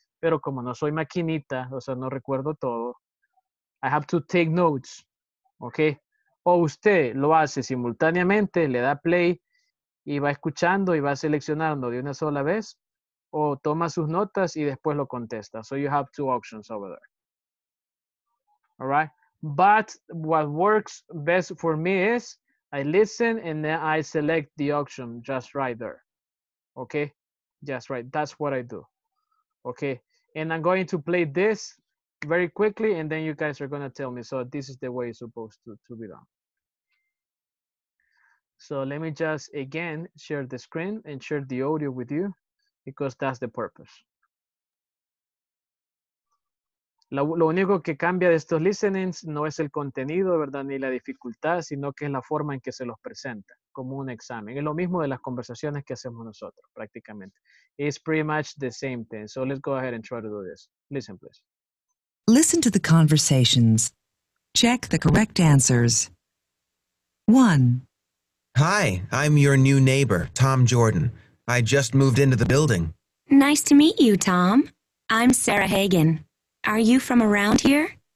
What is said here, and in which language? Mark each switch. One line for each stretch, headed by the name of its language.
Spanish: Pero como no soy maquinita, o sea, no recuerdo todo,
English: I have to take notes,
Spanish: ¿ok? O usted lo hace simultáneamente, le da play y va escuchando y va seleccionando de una sola vez, o toma sus notas y después lo contesta.
English: So you have two options over there. All right? But what works best for me is I listen and then I select the option just right there. Okay? Just right. That's what I do. Okay? And I'm going to play this very quickly and then you guys are going to tell me. So this is the way it's supposed to be done. So let me just again share the screen and share the audio with you because that's the purpose.
Spanish: Lo único que cambia de estos listenings no es el contenido, ¿verdad?, ni la dificultad, sino que es la forma en que se los presenta, como un examen. Es lo mismo de las conversaciones que hacemos nosotros, prácticamente.
English: It's pretty much the same thing. So let's go ahead and try to do this. Listen, please. Listen to the conversations. Check the correct answers. One. Hi, I'm your new neighbor, Tom Jordan. I just moved into the building. Nice to meet you, Tom. I'm Sarah Hagen. Are you from around here?